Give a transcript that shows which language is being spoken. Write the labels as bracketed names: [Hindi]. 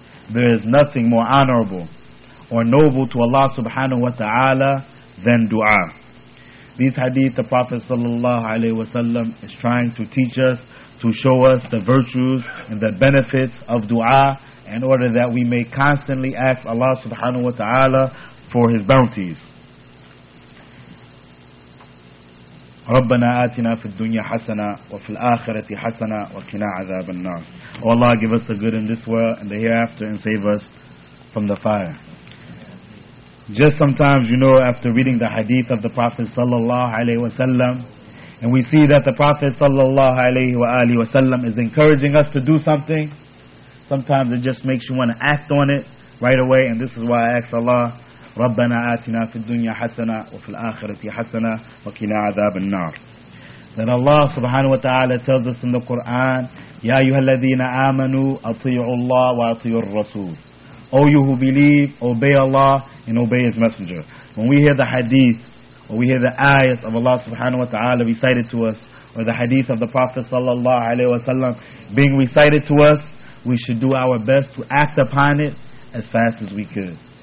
[English] There is nothing more honorable or noble to Allah subhanahu wa ta'ala than du'a. These hadith, the Prophet sallallahu alaihi wasallam is trying to teach us, to show us the virtues and the benefits of du'a, in order that we may constantly ask Allah subhanahu wa ta'ala for his bounties. [Arabic] ربنا آتنا في الدنيا حسنة وفي الآخرة حسنة وقنا عذاب النار. [English] Oh Allah, give us the good in this world and the hereafter and save us from the fire. Just sometimes, you know, after reading the hadith of the Prophet sallallahu alaihi wasallam, and we see that the Prophet sallallahu alaihi wasallam is encouraging us to do something, sometimes it just makes you want to act on it right away. And this is why I ask Allah, [Arabic] ربنا آتنا في الدنيا حسنة وفي الآخرة حسنة وقنا عذاب النار. [English] Then Allah subhanahu wa ta'ala tells us in the Quran, [Arabic] يا أيها الذين آمنوا أطيعوا الله وأطيعوا الرسول. [English] O you who believe, obey Allah and obey His Messenger. When we hear the hadith, or we hear the ayat of Allah subhanahu wa ta'ala recited to us, or the hadith of the Prophet sallallahu alayhi wa sallam being recited to us, we should do our best to act upon it as fast as we could.